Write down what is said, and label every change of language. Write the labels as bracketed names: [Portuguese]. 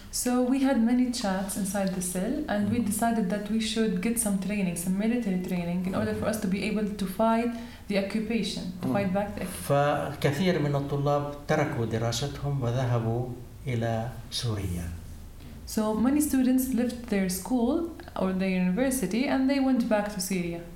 [English] So we had many chats inside the cell and we decided that we should get some military training in order for us to be able to fight the occupation, to fight back the occupation. [Arabic] فكثير من الطلاب تركوا دراستهم وذهبوا إلى سوريا. [English] So many students left their school or their university and they went back to Syria.